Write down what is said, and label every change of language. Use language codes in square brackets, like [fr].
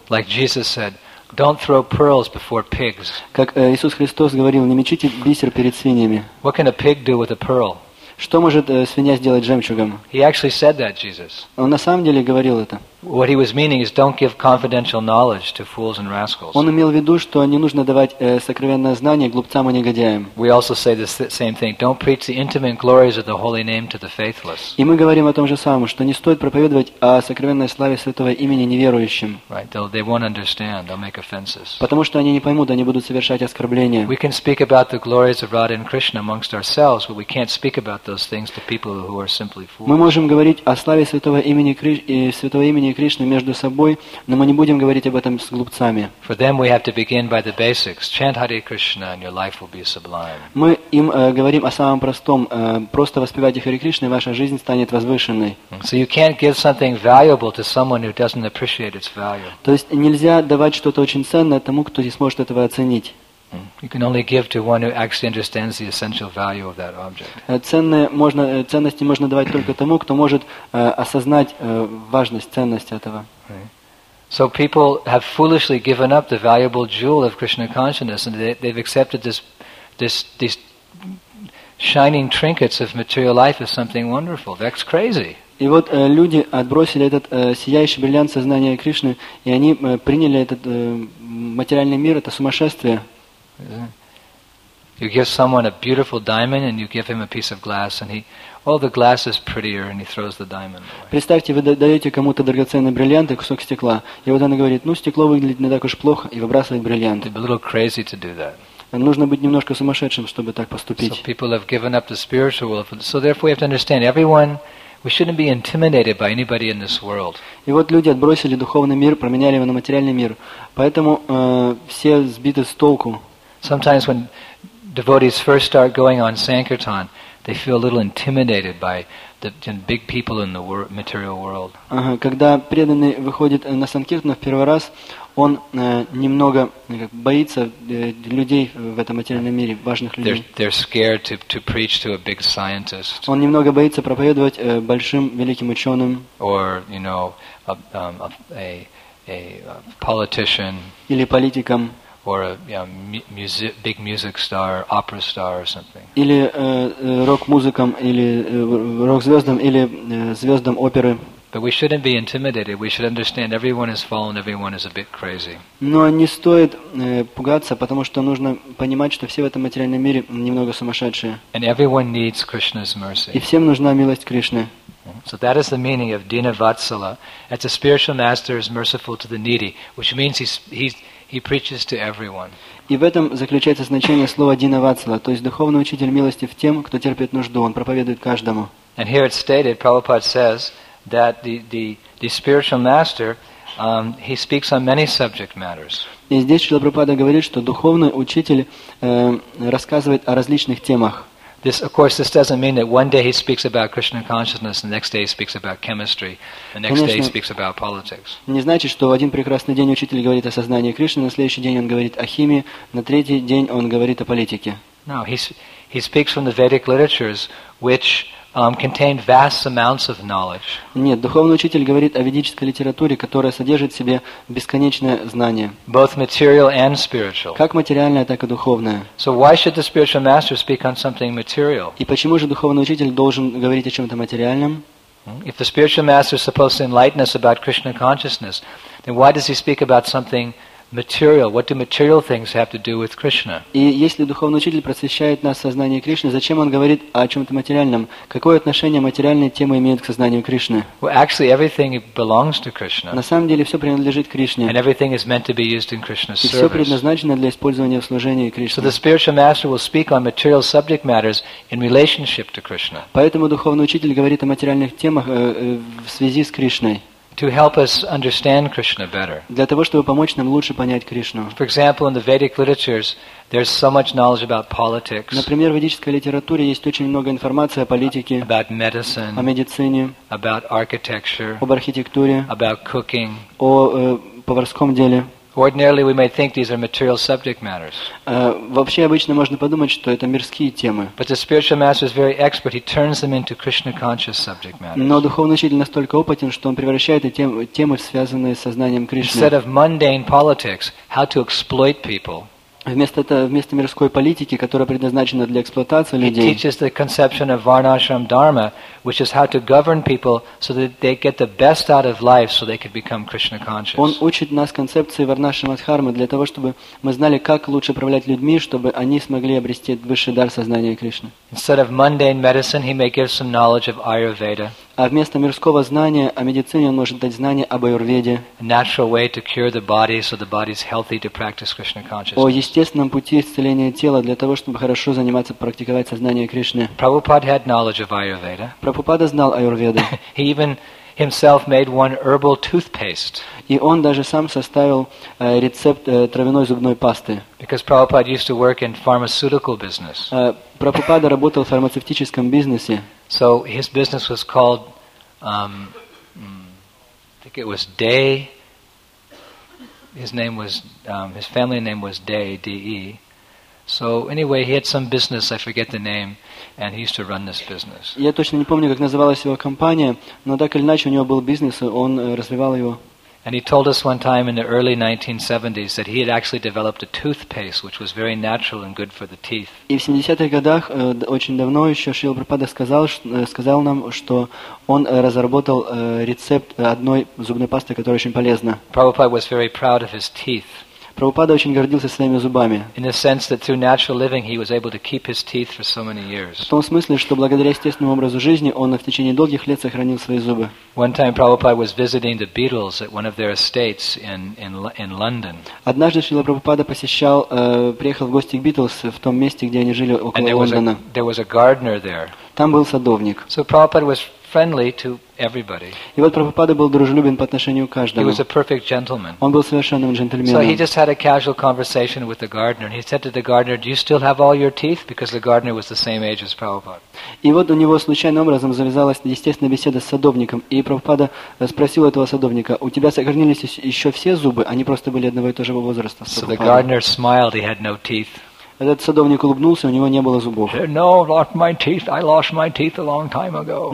[en] Like Jesus said, don't throw pearls before pigs. [ru] Как Иисус Христос говорил, не мечите бисер перед свиньями. [en] What can a pig do with a pearl? [ru] Что может свинья сделать жемчугом? [en] He actually said that, Jesus. [ru] Он на самом деле говорил это. [en] What he was meaning is don't give confidential knowledge to fools and rascals. [ru] Он имел в виду, что не нужно давать сокровенное знание глупцам и негодяям. [en] We also say the same thing. Don't preach the intimate glories of the holy name to the faithless. [ru] И мы говорим о том же самом, что не стоит проповедовать о сокровенной славе святого имени неверующим. [en] Right. They won't understand. They'll make offenses. [ru] Потому что они не поймут, они будут совершать оскорбления. [en] We can speak about the glories of Radha and Krishna amongst ourselves, but we can't speak about those things to people who are simply fools. [ru] Мы можем говорить о славе святого имени Кришны и святого имени и Кришны между собой, но мы не будем говорить об этом с глупцами. [en] For them we have to begin by the basics. Chant Hare Krishna and your life will be sublime. [ru] Мы им говорим о самом простом. Просто воспевайте Хари Кришны, и ваша жизнь станет возвышенной. [en] So you can't give something valuable to someone who doesn't appreciate its value. [ru] То есть нельзя давать что-то очень ценное тому, кто не сможет этого оценить. [en] You can only give to one who actually understands the essential value of that object. [ru] Ценности можно давать только тому, кто может осознать важность, ценность этого. [en] So people have foolishly given up the valuable jewel of Krishna consciousness, and they've accepted these shining trinkets of material life as something wonderful. That's crazy. [ru] И вот люди отбросили этот сияющий бриллиант сознания Кришны, и они приняли этот материальный мир, это сумасшествие. [en] You give someone a beautiful diamond and you give him a piece of glass and the glass is prettier and he throws the diamond away. [ru] Представьте, вы даете кому-то драгоценный бриллиант и кусок стекла, и вот она говорит, ну, стекло выглядит не так уж плохо, и выбрасывает бриллиант. [en] It'd be a little crazy to do that. [ru] Нужно быть немножко сумасшедшим, чтобы так поступить. [en] So people have given up the spiritual world. So therefore we have to understand everyone. We shouldn't be intimidated by anybody in this world. [ru] И вот люди отбросили духовный мир, променяли его на материальный мир. Поэтому все сбиты с толку. [en] Sometimes when devotees first start going on sankirtan, they feel a little intimidated by the big people in the material world. [ru] Когда преданный выходит на санкиртану в первый раз, он немного боится людей в этом материальном мире, важных людей. [en] They're scared to preach to a big scientist. [ru] Он немного боится проповедовать большим великим ученым. [en] Or, you know, a politician. [ru] Или политиком. [en] Or big music star, opera star, or something. [ru] Или рок-музыкам, или рок-звездам, или звездам оперы. [en] But we shouldn't be intimidated. We should understand everyone is fallen. Everyone is a bit crazy. [ru] Но не стоит пугаться, потому что нужно понимать, что все в этом материальном мире немного сумасшедшие. [en] And everyone needs Krishna's mercy. [ru] И всем нужна милость Кришны. [en] So that is the meaning of Dina Vatsala. That's a spiritual master is merciful to the needy, which means he preaches to everyone. [ru] И в этом заключается значение слова Дина Ватсала, то есть духовный учитель милости в тем, кто терпит нужду. Он проповедует каждому. [en] And here it's stated, Prabhupada says that the spiritual master he speaks on many subject matters. [ru] И здесь Шрила Прабхупада говорит, что духовный учитель рассказывает о различных темах. [en] This, of course, this doesn't mean that one day he speaks about Krishna consciousness, and the next day he speaks about chemistry, and the next [ru] Конечно, [en] day he speaks about politics. [ru] Не значит, что в один прекрасный день учитель говорит о сознании Кришны, на следующий день он говорит о химии, на третий день он говорит о политике. [en] No, he speaks from the Vedic literatures, which contain vast amounts of knowledge. [ru] Нет, духовный учитель говорит о ведической литературе, которая содержит в себе бесконечное знание. [en] Both material and spiritual. [ru] Как материальное, так и духовное. [en] So why should the spiritual master speak on something material? [ru] И почему же духовный учитель должен говорить о чем-то материальном? [en] If the spiritual master is supposed to enlighten us about Krishna consciousness, then why does he speak about something material? What do material things have to do with Krishna? [ru] И если духовный учитель просвещает нас в сознании Кришны, зачем он говорит о чем-то материальном? Какое отношение материальные темы имеют к сознанию Кришны? [en] Well, actually, everything belongs to Krishna. [ru] На самом деле, все принадлежит Кришне. [en] And everything is meant to be used in Krishna's service. [ru] И все предназначено для использования в служении Кришне. [en] So the spiritual master will speak on material subject matters in relationship to Krishna. [ru] Поэтому духовный учитель говорит о материальных темах в связи с Кришной. [en] To help us understand Krishna better. [ru] Для того, чтобы помочь нам лучше понять Кришну. [en] For example, in the Vedic literatures, there's so much knowledge about politics. [ru] Например, в ведической литературе есть очень много информации о политике. [en] About medicine. [ru] О медицине. [en] About architecture. [ru] Об архитектуре. [en] About cooking. [ru] О поварском деле. [en] Ordinarily, we may think these are material subject matters. [ru] Вообще обычно можно подумать, что это мирские темы. [en] But the spiritual master is very expert. He turns them into Krishna conscious subject matters. [ru] Но духовный учитель настолько опытен, что он превращает эти темы, связанные с сознанием Кришны. [en] Instead of mundane politics, how to exploit people. [ru] Вместо мирской политики, которая предназначена для эксплуатации людей. [en] He teaches the conception of varnashram dharma, which is how to govern people so that they get the best out of life, so they could become Krishna conscious. [ru] Он учит нас концепции варнашрама дхармы для того, чтобы мы знали, как лучше управлять людьми, чтобы они смогли обрести высший дар сознания Кришны. [en] Instead of mundane medicine, he may give some knowledge of Ayurveda. [ru] А вместо мирского знания о медицине он может дать знание об аюрведе. [en] Natural way to cure the body so the body is healthy to practice Krishna consciousness. [ru] О естественном пути исцеления тела для того, чтобы хорошо заниматься, практиковать сознание Кришны. [en] Prabhupada had knowledge of Ayurveda. [ru] Прабхупада знал аюрведу. [en] He even himself made one herbal toothpaste. [ru] И он даже сам составил рецепт травяной зубной пасты. [en] Because Prabhupada used to work in pharmaceutical business. [ru] Прабхупада работал в фармацевтическом бизнесе. [en] So his business was called I think it was Day. His name was his family name was Day, D-E. So anyway, he had some business, I forget the name, and he used to run this business. [ru] Я точно не помню, как называлась его компания, но так или иначе у него был бизнес, и он развивал его. [en] And he told us one time in the early 1970s that he had actually developed a toothpaste which was very natural and good for the teeth. [ru] И в 70-х годах, очень давно ещё, Шрила Прабхупада сказал нам, что он разработал рецепт одной зубной пасты, которая очень полезна. [en] Prabhupada was very proud of his teeth. [ru] Прабхупада очень гордился своими зубами. [en] In the sense that through natural living he was able to keep his teeth for so many years. [ru] В том смысле, что благодаря естественному образу жизни он в течение долгих лет сохранил свои зубы. [en] One time Prabhupada was visiting the Beatles at one of their estates in London. [ru] Однажды Шрила Прабхупада посещал, приехал в гости к Beatles в том месте, где они жили около Лондона. [en] There was a gardener there. [ru] Там был садовник. [en] So Prabhupada was friendly to everybody. [ru] И вот Прабхупада был дружелюбен по отношению к каждому. [en] He was a perfect gentleman. [ru] Он был совершенным джентльменом. [en] So he just had a casual conversation with the gardener, and he said to the gardener, "Do you still have all your teeth?" Because the gardener was the same age as Prabhupada. [ru] И вот у него случайным образом завязалась естественная беседа с садовником, и Прабхупада спросил этого садовника: "У тебя сохранились еще все зубы? Они просто были одного и того же возраста?" [en] So the gardener smiled. He had no teeth. [ru] Этот садовник улыбнулся, у него не было зубов. [en] No, lost my teeth. I lost my teeth a long time ago.